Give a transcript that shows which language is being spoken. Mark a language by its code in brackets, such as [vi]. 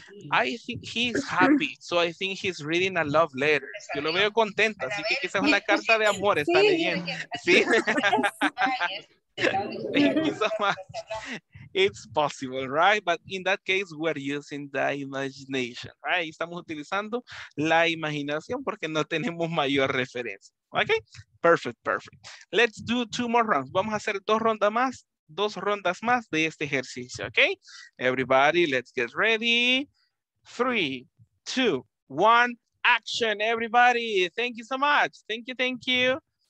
[en] I think he's happy, so I think he's reading a love letter. [es] Yo lo veo contento, así que quizás una carta de amor está leyendo. [en] Sí. Thank you so much. It's possible, right? But in that case, we're using the imagination, right? [es] Estamos utilizando la imaginación porque no tenemos mayor referencia. Okay? [en] Perfect, perfect. Let's do two more rounds. [es] Vamos a hacer dos rondas más de este ejercicio, okay? [en] Everybody, let's get ready. Three, two, one, action, everybody. Thank you so much. Thank you, thank you.